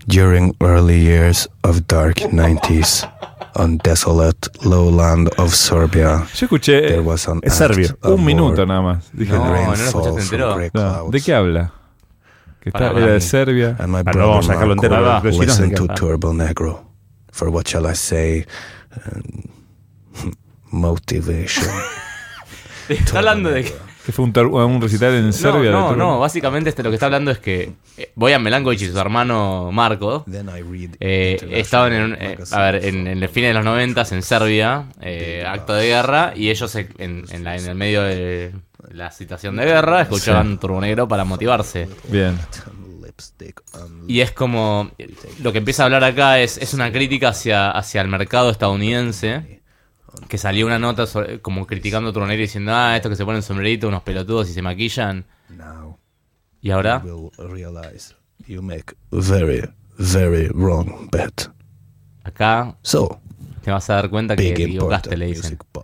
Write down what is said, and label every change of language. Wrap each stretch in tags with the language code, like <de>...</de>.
<en>During early years of dark 90s on desolate lowland of Serbia.</en> <es>Yo escuché.</es> <en>There was an</en> <es>es serbio. Un minuto nada más. Dije, no, no lo escuchaste entero. No. ¿De qué habla? Que está era de Serbia.</es> <en>And my brother,</en> <es>no, vamos a sacarlo entero.</es> <en>Listen to Turbo Negro. For what shall I say? Motivation.</en> <es>Está hablando de que fue un recital en Serbia. No, no, no. Básicamente lo que está hablando es que Bojan Milankovic y su hermano Marko estaban en el fin de los 90s en Serbia, acto de guerra, y ellos en el medio de la situación de guerra escuchaban Turbo Negro para motivarse. Bien. Y es como lo que empieza a hablar acá es una crítica hacia el mercado estadounidense. Que salió una nota sobre, como criticando a Turbo Negro diciendo, estos que se ponen sombrerito, unos pelotudos y se maquillan.</es> <en>Now,</en> <es>y ahora.</es> <en>You will realize you make very, very wrong bet.</en> <es>Acá.</es> <en>So,</en> <es>te vas a dar cuenta que equivocaste, le dicen.</es>